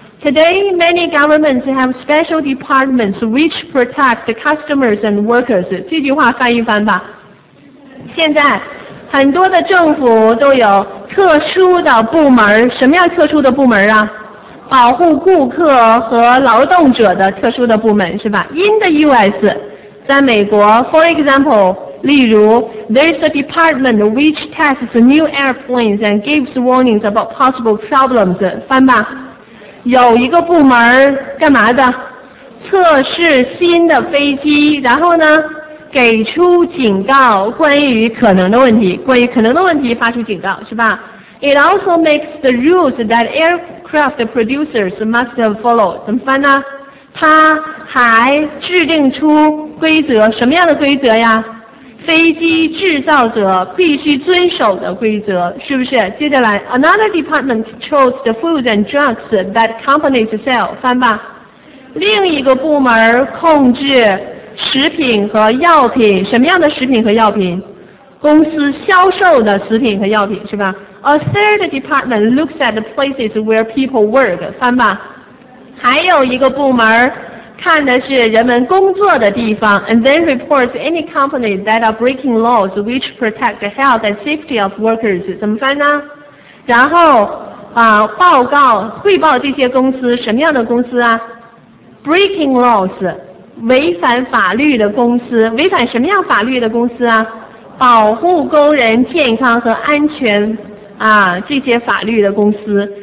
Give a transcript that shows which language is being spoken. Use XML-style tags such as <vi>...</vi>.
<en>Today many governments have special departments which protect the customers and workers，</en> <zh>这句话翻一翻吧。现在很多的政府都有特殊的部门，什么样特殊的部门啊？保护顾客和劳动者的特殊的部门，是吧？</zh> <en>In the US，</en> <zh>在美国。</zh> <en>For example，</en> <zh>例如</zh> <en>There is a department which tests new airplanes and gives warnings about possible problems，</en> <zh>翻吧。有一个部门干嘛的？测试新的飞机，然后呢给出警告，关于可能的问题，关于可能的问题发出警告，是吧？</zh> <en>It also makes the rules that aircraft producers must follow，</en> <zh>怎么翻呢？它还制定出规则，什么样的规则呀？飞机制造者必须遵守的规则，是不是？接下来</zh> <en>Another department controls the foods and drugs that companies sell，</en> <zh>翻吧。另一个部门控制食品和药品，什么样的食品和药品？公司销售的食品和药品，是吧？</zh> <en>A third department looks at the places where people work，</en> <zh>翻吧。还有一个部门看的是人们工作的地方，</zh> <en>and then reports any company that are breaking laws which protect the health and safety of workers，</en> <zh>怎么翻呢？然后啊，报告汇报这些公司，什么样的公司啊？</zh> <en>Breaking laws，</en> <zh>违反法律的公司，违反什么样法律的公司啊？保护工人健康和安全啊，这些法律的公司。</zh>